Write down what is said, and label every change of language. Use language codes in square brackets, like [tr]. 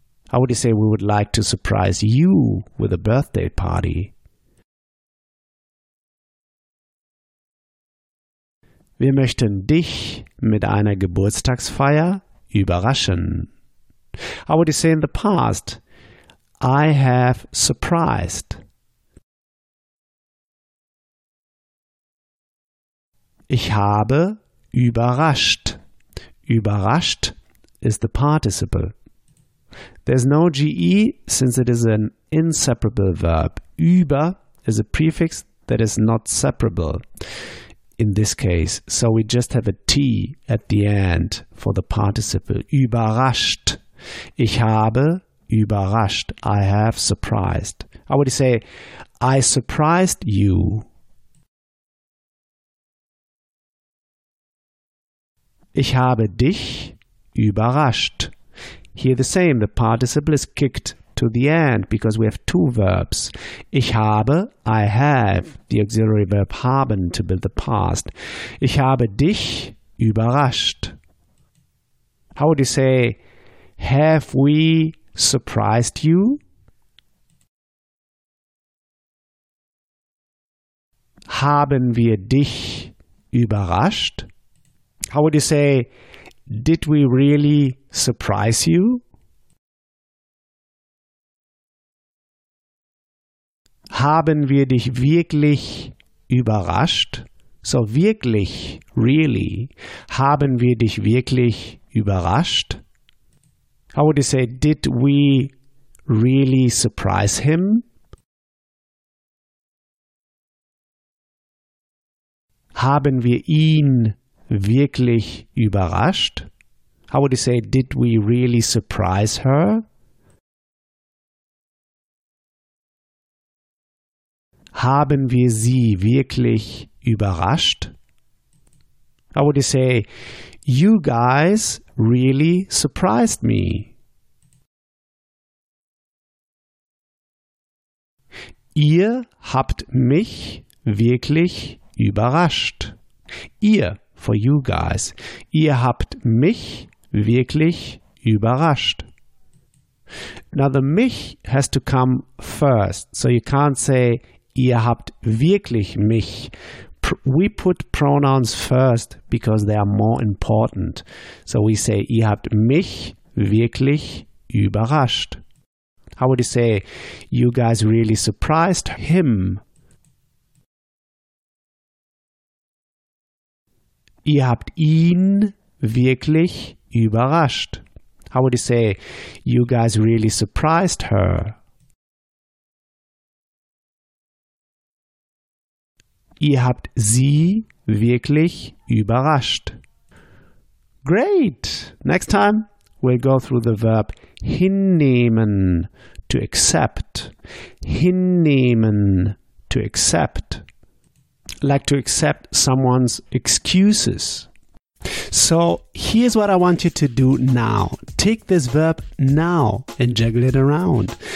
[en] How would you say we would like to surprise you with a birthday party? [de] Wir möchten dich mit einer Geburtstagsfeier überraschen. [en] How would you say in the past? I have surprised. [de] Ich habe überrascht. Überrascht [en] is the participle. There's no GE since it is an inseparable verb. Über is a prefix that is not separable in this case. So we just have a T at the end for the participle. [de] Überrascht. Ich habe überrascht. [en] I have surprised. How would you say, I surprised you? [de] Ich habe dich überrascht. [en] Here the same, the participle is kicked to the end because we have two verbs. [de] Ich habe, [en] I have, the auxiliary verb haben to build the past. [de] Ich habe dich überrascht. [en] How would you say, have we surprised you? [de] Haben wir dich überrascht? [en] How would you say, did we really surprise you? [de] Haben wir dich wirklich überrascht? So wirklich, really. Haben wir dich wirklich überrascht? [en] How would you say, did we really surprise him? [de] Haben wir ihn wirklich überrascht? [en] How would you say, did we really surprise her? [de] Haben wir sie wirklich überrascht? [en] How would you say, you guys really surprised me? [de] Ihr habt mich wirklich überrascht. Ihr, [en] for you guys. [de] Ihr habt mich wirklich überrascht. [en] Now the mich has to come first. So you can't say, [de] ihr habt wirklich mich. [en] We put pronouns first because they are more important. So we say, [de] ihr habt mich wirklich überrascht. [en] How would you say, you guys really surprised him? [de] Ihr habt ihn wirklich überrascht. [en] How would you say, you guys really surprised her? [de] Ihr habt sie wirklich überrascht. [en] Great! Next time, we'll go through the verb hinnehmen, to accept. Hinnehmen, to accept. Like to accept someone's excuses. So, here's what I want you to do now. Take this verb now and juggle it around.